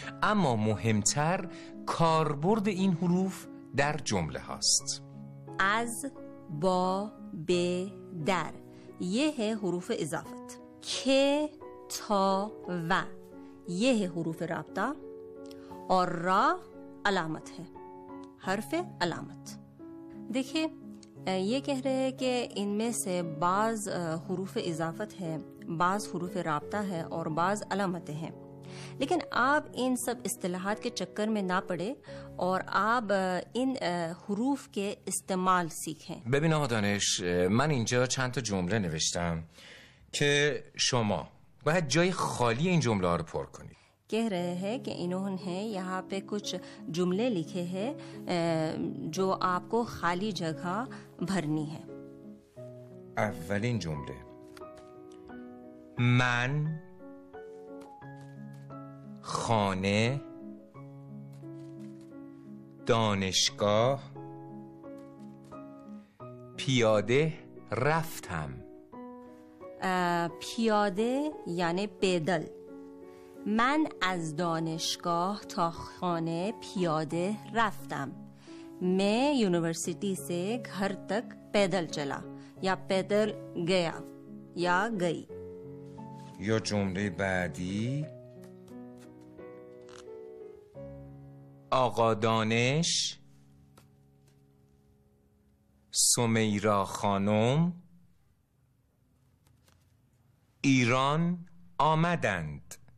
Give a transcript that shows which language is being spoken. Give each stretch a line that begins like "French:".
Persian: اما مهمتر کاربرد این حروف در جمله هاست. از با به در یه حروف اضافت، که تا و یه حروف رابطه، اور را علامت ہے، حرف علامت.
Urdu: دیکھیں یہ کہہ رہے کہ ان میں سے بعض حروف اضافت ہے، بعض حروف رابطہ ہے اور بعض علامتیں ہیں. لیکن آپ ان سب اصطلاحات کے چکر میں نہ پڑے اور آپ ان حروف کے استعمال سیکھیں.
Persian: ببین آقا دانش، من اینجا چند تا جمله نوشتم که شما باید جای خالی این جمله رو پر کنید.
Urdu: کہہ رہے ہیں کہ انہوں نے یہاں پہ کچھ جملے لکھے ہیں جو آپ کو خالی جگہ بھرنی ہے.
Persian: اولین جملے، من خانه دانشگاه پیاده رفتم. پیاده یعنی پیدل. من از دانشگاه تا خانه پیاده رفتم.
Urdu: میں یونیورسٹی سے گھر تک پیدل چلا یا پیدل گیا یا گئی.
Persian: یا جمله بعدی، آقا دانش سمیرا خانم ایران آمدند.